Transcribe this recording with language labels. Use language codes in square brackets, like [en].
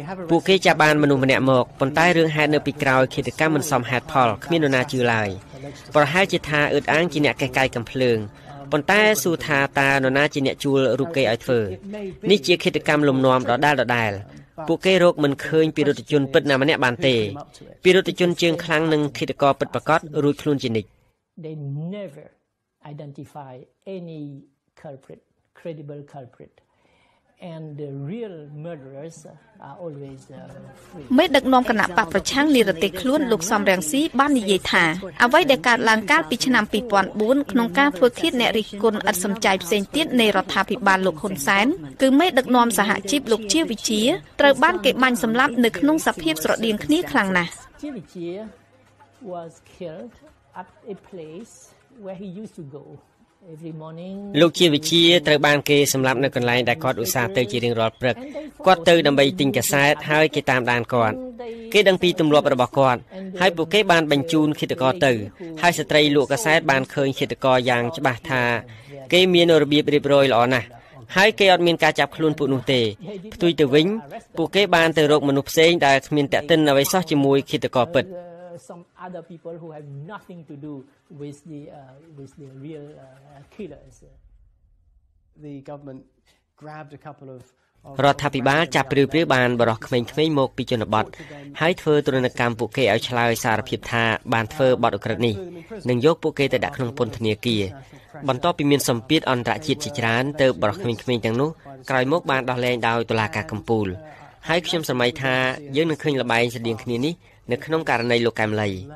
[km] ពួកគេចាប់បានមនុស្សម្នាក់មកប៉ុន្តែរឿងហេតុនៅពីក្រោយឃាតកម្មមិនសមហេតុផលគ្មាននរណាជឿឡើយប្រហែលជាថាអឺតអាងជាអ្នកកេះកៃកំភ្លើងប៉ុន្តែសួរថាតើនរណាជាអ្នកជួលរូបគេឲ្យធ្វើនេះជាឃាតកម្មលំនាំដដែលដដែលពួកគេរកមិនឃើញពីរដ្ឋជនពិតណាម្នាក់បានទេពីរដ្ឋជនជើងខ្លាំងនិងឃាតករពិតប្រាកដរួចខ្លួនជានិច្ច [en] They never identify any culprit credible culprit And the real murderers are always free. [km] មេដឹកនាំគណៈបកប្រឆាំងនិរទេសខ្លួនលោកសំរងស៊ីបាននិយាយថាអ្វីដែលកើតឡើងកាលពីឆ្នាំ2004ក្នុងការធ្វើឃាតអ្នករិះគន់អត់សំចៃផ្សេងទៀតនៃរដ្ឋាភិបាលលោកហ៊ុនសែនគឺមេដឹកនាំសហជីពលោកជាវិជាត្រូវបានគេបាញ់សម្លាប់នៅក្នុងសភាពស្រដៀងគ្នាខ្លាំងណាស់ [en] ជាវិជា was killed at a place where he used to go [km] លោកជាវិជាត្រូវបានគេសម្លាប់នៅកន្លែងដែលគាត់ឧស្សាហ៍ទៅជារៀងរាល់ព្រឹកគាត់ទៅដើម្បីទិញកាសែតហើយគេតាមដានគាត់គេដឹងពីទម្លាប់របស់គាត់ហើយពួកគេបានបញ្ជូនឃាតករទៅហើយស្ត្រីលក់កាសែតបានឃើញឃាតករយ៉ាងច្បាស់ថាគេមានរបៀបរៀបរយល្អណាស់ហើយគេអត់មានការចាប់ខ្លួនពួកនោះទេផ្ទុយទៅវិញពួកគេបានទៅរកមនុស្សផ្សេងដែលគ្មានតាក់ទិនអ្វីសោះជាមួយឃាតករពិត [en] Some other people who have nothing to do with the real killers. The government grabbed a couple of. [km] រដ្ឋាភិបាលចាប់ព្រឺព្រឺបានបរោះក្មេងក្មេងមកពីជនបទហើយធ្វើទរណកម្មពួកគេឲ្យឆ្លើយសារភាពថាបានធ្វើបទឧក្រិដ្ឋនេះនិងយកពួកគេទៅដាក់ក្នុងពន្ធនាគារបន្ទាប់ពីមានសម្ពាធអន្តរជាតិជាច្រើនទៅបរោះក្មេងក្មេងទាំងនោះក្រោយមកបានដោះលែងដោយតុលាការកំពូលហើយខ្ញុំសម័យថាយើងនឹងឃើញល្បែងស្តៀងគ្នានេះនៅក្នុងករណីលោកកែមលី